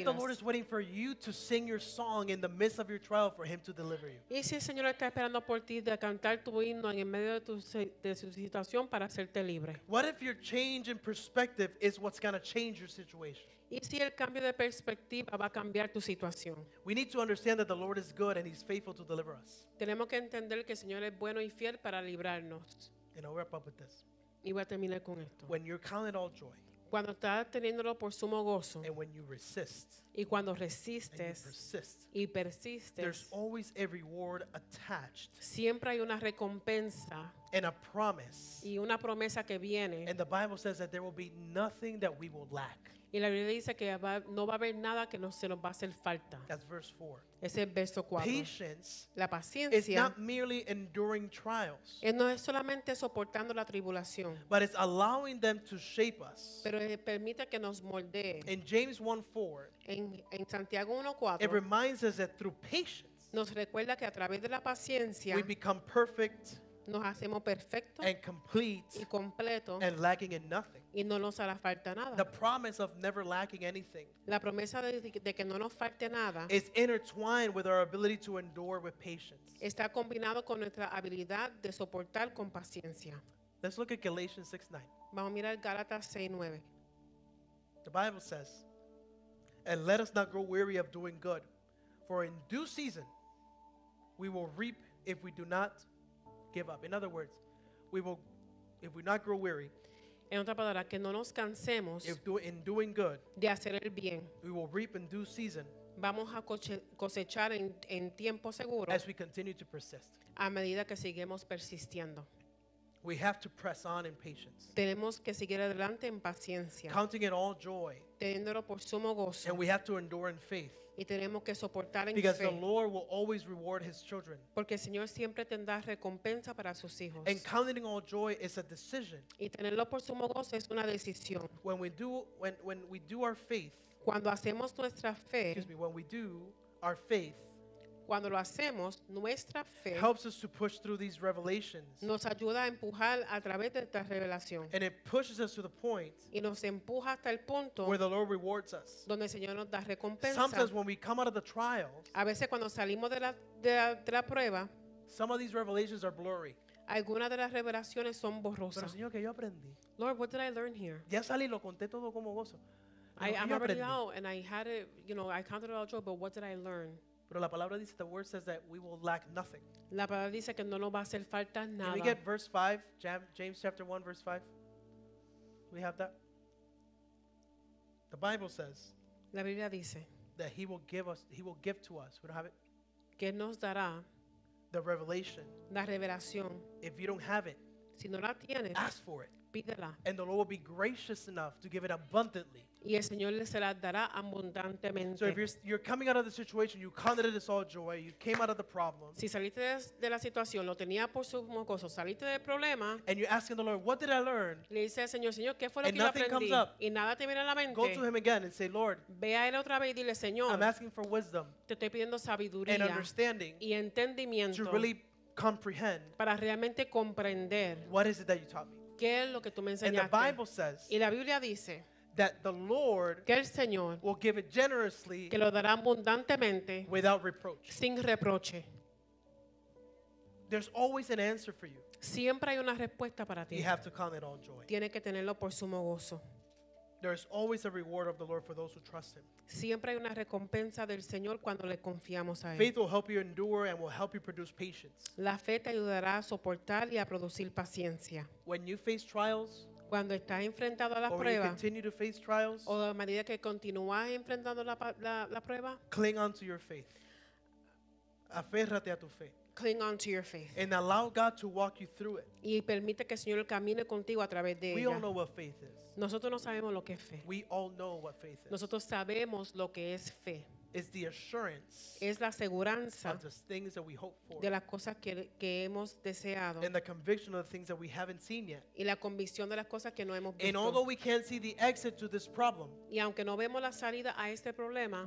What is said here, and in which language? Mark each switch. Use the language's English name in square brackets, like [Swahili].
[English] If the Lord is waiting for you to sing your song in the midst of your trial for him to deliver you? [Spanish] Y si el Señor está esperando por ti de cantar tu himno en medio de tu situación para hacerte libre? [English] What if your change in perspective is what's going to change your situation? [Spanish] Y si el cambio de perspectiva va a cambiar tu situación? [English] We need to understand that the Lord is good and he's faithful to deliver us. [Spanish] Tenemos que entender que el Señor es bueno y fiel para librarnos. [English] And I'll wrap up with this. [Spanish] Y voy a terminar con esto. [English] When you're calling it all joy, [Spanish] cuando estás teniéndolo por sumo gozo, [English] and when you resist, [Spanish] y cuando resistes, [English] and you persist, [Spanish] y persistes, [English] there's always a reward attached, [Spanish] siempre hay una recompensa, [English] and a promise, [Spanish] y una promesa que viene, [English] and the Bible says that there will be nothing that we will lack. [Spanish] Y la Biblia dice que no va a haber nada que no se nos va a hacer falta. [English] That's verse 4. [Spanish] Ese es verso 4. [English] Patience, [Spanish] la paciencia, [English] is not merely enduring trials, [Spanish] no es solamente soportando la tribulación, [English] but it's allowing them to shape us. [Spanish] Pero permite que nos moldee. [English] In James 1:4, [Spanish] en Santiago 1:4, [English] it reminds us that through patience, [Spanish] nos recuerda que a través de la paciencia, [English] we become perfect, [Spanish] nos hacemos perfectos, [English] and complete, [Spanish] y completo, [English] and lacking in nothing. [Spanish] Y no nos hará falta nada. [English] The promise of never lacking anything, [Spanish] la promesa de que no nos falte nada, [English] is intertwined with our ability to endure with patience. [Spanish] Está combinado con nuestra habilidad de soportar con paciencia. [English] Let's look at Galatians 6:9. [Spanish] Vamos a mirar Gálatas 6:9. [English] The Bible says, "And let us not grow weary of doing good, for in due season we will reap if we do not give up." In other words, if we not grow weary, [Spanish] en otra palabra, que no nos cansemos, [English] in doing good, [Spanish] de hacer el bien, [English] we will reap in due season, [Spanish] vamos a cosechar en tiempo seguro, [English] as we continue to persist, [Spanish] a medida que seguimos persistiendo. [English] We have to press on in patience, [Spanish] tenemos que seguir adelante en paciencia, [English] counting it all joy, [Spanish] teniéndolo por sumo gozo, [English] and we have to endure in faith, [Spanish] y tenemos que soportar en fe, [English] because the Lord will always reward his children, [Spanish] porque el Señor siempre tendrá recompensa para sus hijos, [English] and counting all joy is a decision, [Spanish] y tenerlo por sumo gozo es una decisión. [English] When we do our faith, [Spanish] cuando hacemos nuestra fe, [English] excuse me, when we do our faith, [Spanish] cuando lo hacemos, nuestra fe [English] helps us to push through these revelations, [Spanish] nos ayuda a empujar a través de esta revelación, [English] and it pushes us to the point, [Spanish] y nos empuja hasta el punto, [English] where the Lord rewards us, [Spanish] donde el Señor nos da recompensa. [English] Sometimes when we come out of the trials, [Spanish] a veces cuando salimos de la prueba, [English] some of these revelations are blurry, [Spanish] algunas de las revelaciones son borrosas. Pero Señor, ¿qué yo aprendí? [English] Lord, what did I learn here? [Spanish] Ya salí, lo conté todo como gozo. [English] I'm already out and I had it, you know, I counted it all joy, but what did I learn? [Spanish] Pero la palabra dice, [English] the word says that we will lack nothing. [Spanish] La palabra dice que no nos va a hacer falta nada. [English] Can we get verse 5? James chapter 1 verse 5. We have that. The Bible says, [Spanish] la Biblia dice, [English] that he will give to us. We don't have it. [Spanish] Que nos dará [English] the revelation. [Spanish] La revelación. [English] If you don't have it, [Spanish] si no la tienes, [English] ask for it. [Spanish] Pídela. [English] And the Lord will be gracious enough to give it abundantly. [Spanish] Y el Señor le se la dará abundantemente. [English] So if you're coming out of the situation, you counted it as all joy, you came out of the problem, [Spanish] si saliste de la situación, lo tenía por sumo gozo, saliste del problema, [English] and you're asking the Lord, what did I learn? [Spanish] Le dice al Señor, Señor, ¿qué fue lo que aprendí? [English] And nothing comes up. [Spanish] Y nada te viene a la mente. [English] Go to him again and say, Lord, [Spanish] ve a él otra vez y dile, Señor, [English] I'm asking for wisdom, [Spanish] te estoy pidiendo sabiduría, [English] and understanding, [Spanish] y entendimiento, [English] to really comprehend, [Spanish] para realmente comprender, [English] what is it that you taught me? [Spanish] ¿Qué es lo que tú me enseñaste? [English] And the Bible says, [Spanish] y la Biblia dice, [English] that the Lord, [Spanish] que el Señor, [English] will give it generously, [Spanish] que lo dará abundantemente, [English] without reproach, [Spanish] sin reproche. [English] There's always an answer for you. [Spanish] Siempre hay una respuesta para ti. [English] You have to count it all joy. [Spanish] Tiene que tenerlo por sumo gozo. [English] There's always a reward of the Lord for those who trust him. [Spanish] Siempre hay una recompensa del Señor cuando le confiamos a él. [English] Faith will help you endure and will help you produce patience. [Spanish] La fe te ayudará a soportar y a producir paciencia. [English] When you face trials, [Spanish] cuando estás enfrentado a las pruebas, [English] you continue to face trials, [Spanish] o a medida que continúas enfrentando la prueba, [English] cling on to your faith. [Spanish] Aférrate a tu fe. [English] Cling on to your faith. And allow God to walk you through it. [Spanish] Y permite que el Señor camine contigo a través de ella. [English] all know what faith is. [Spanish] Nosotros no sabemos lo que es fe. [English] We all know what faith is. [Spanish] Nosotros sabemos lo que es fe. [English] It's the assurance, [Spanish] es la seguranza, [English] of the things that we hope for, [Spanish] de las cosas que hemos deseado, [English] and the conviction of the things that we haven't seen yet, [Spanish] y la convicción de las cosas que no hemos visto. [English] And although we can't see the exit to this problem, [Spanish] y aunque no vemos la salida a este problema,